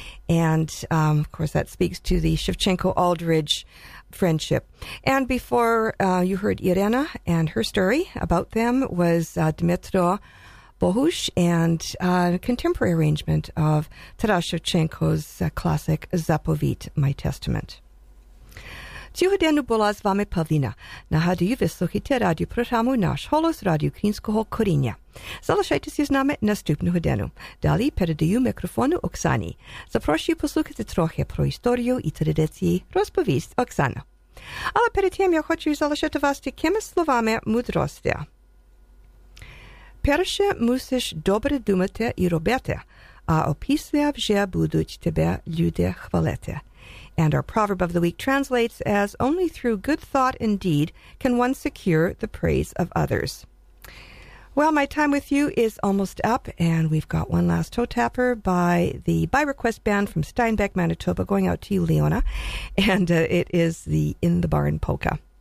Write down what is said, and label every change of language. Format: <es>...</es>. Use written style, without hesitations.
<en>And, of course, that speaks to the Shevchenko-Aldridge friendship. And before you heard Irena and her story about them was Dmytro Bohush and a contemporary arrangement of Taras Shevchenko's classic Zapovit, My Testament.</en> <uk>Цього дня була з вами Павлина. Нагадую, ви слухаєте радіопрограму «Наш голос» радіо Українського коріння. Залишайтеся з нами наступного дня. Далі передаю мікрофону Оксані. Запрошую послухати трохи про історію і традиції. Розповість Оксана. Але перед тим я хочу залишити вас такими словами мудрості. Перше мусиш добре думати і робити, а опісля вже будуть тебе люди хвалити.</uk> <en>And our proverb of the week translates as, only through good thought and deed can one secure the praise of others. Well, my time with you is almost up, and we've got one last toe tapper by the By Request Band from Steinbeck, Manitoba, going out to you, Leona, and it is the In the Barn Polka.</en>